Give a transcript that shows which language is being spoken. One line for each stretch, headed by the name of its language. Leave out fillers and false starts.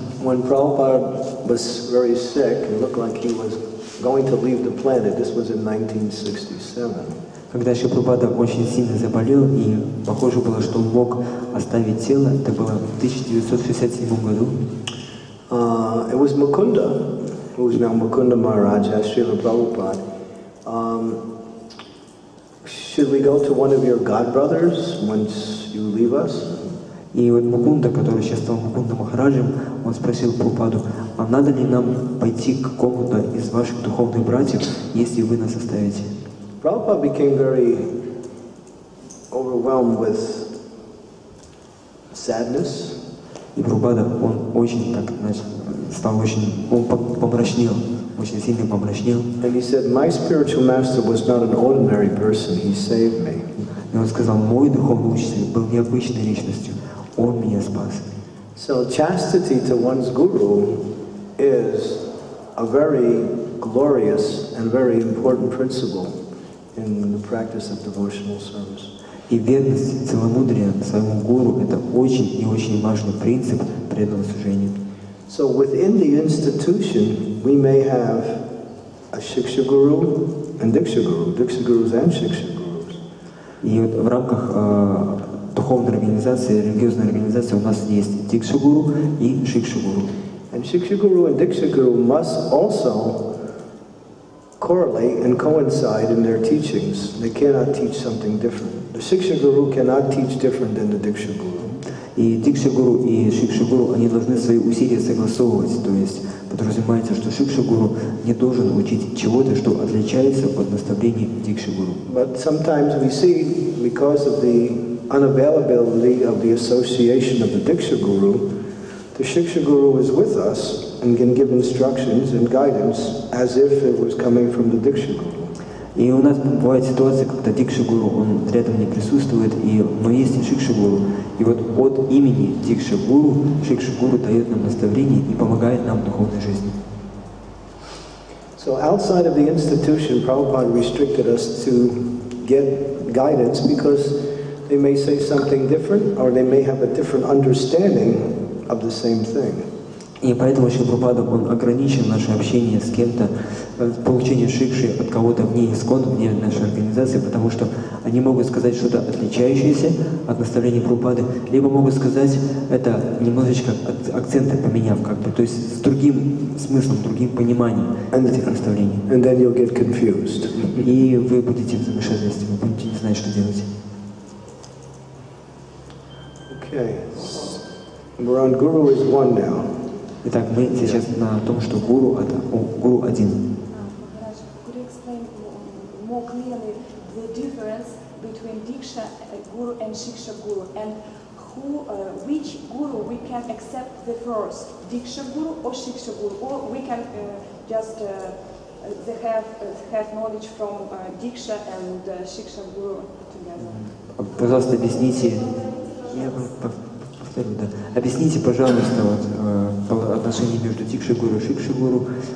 English: When Prabhupada was very sick and looked like he was going to leave the planet, this was in 1967.
Russian: Когда Шри Прабхупада очень сильно заболел и похоже было, что он мог оставить тело, это было в 1967 году.
English: It was Mukunda who is now Mukunda Maharaj, as Srila Prabhupada, should we go to one of your god brothers once you leave us?
Russian: И вот Мукунда, который сейчас стал Мукунда Махараджем, он спросил Прабхупаду, а надо ли нам пойти к какому-то из ваших духовных братьев, если вы нас оставите?
English: Прабхупада became very overwhelmed with sadness.
Russian: И Прабхупада, он очень так, значит, стал очень, он помрачнел, очень сильно помрачнел.
English: And he said, my spiritual master was not an ordinary person, he saved me.
Russian: И он сказал, мой духовный учитель был необычной личностью. Он меня спас.
English: So chastity to one's guru is a very glorious and very important principle in the practice of devotional service.
Russian: И верность, целомудрие своему гуру – это очень и очень важный принцип преданного служения.
English: So within the institution, we may have a shiksha guru and diksha guru, diksha gurus and shiksha gurus.
Russian: И вот в рамках духовной организации, религиозной организации у нас есть дикша гуру и шикша гуру.
English: And шикша гуру and дикша гуру must also correlate and coincide in their teachings. They cannot teach something different. The шикша гуру cannot teach different than the дикша гуру.
Russian: И дикша гуру и шикша гуру, они должны свои усилия согласовывать, то есть подразумевается, что шикша гуру не должен учить чего-то, что отличается от наставлений дикша гуру.
English: But sometimes we see because of the unavailability of the association of the Diksha Guru, the Shiksha Guru is with us and can give instructions and guidance as if it was coming from the Diksha Guru.
Russian: И у нас бывает ситуация, когда Дикша Гуру, он рядом не присутствует, и, но есть Шикша Гуру. И вот от имени Дикша Гуру, Шикша Гуру дает нам наставление и помогает нам в духовной жизни.
English: So outside of the institution, Prabhupada restricted us to get guidance because they may say something different, or they may have a different understanding of the same thing.
Russian: И поэтому Шрила Прабхупада он ограничил наше общение с кем-то, получение шикши от кого-то вне ИСККОН, вне нашей организации, потому что они могут сказать что-то отличающееся от наставления Прабхупады, либо могут сказать это немножечко акценты поменяв как-то, то есть с другим смыслом, другим пониманием этих наставлений.
English: And then you'll get confused.
Russian: И вы будете в замешательстве, вы будете не знать, что делать.
English: Okay, we're on Guru is one now.
Russian: Итак, мы сейчас на том, что Гуру это Гуру один.
English: Could you explain more clearly the difference between Diksha Guru and Shiksha Guru, and who, which Guru we can accept the first, Diksha Guru or Shiksha Guru, or we can just have knowledge from Diksha and Shiksha Guru together?
Russian: Пожалуйста, объясните. Я повторю, да. Объясните, пожалуйста, вот, отношения между Дикшей Гуру и Шикшей Гуру.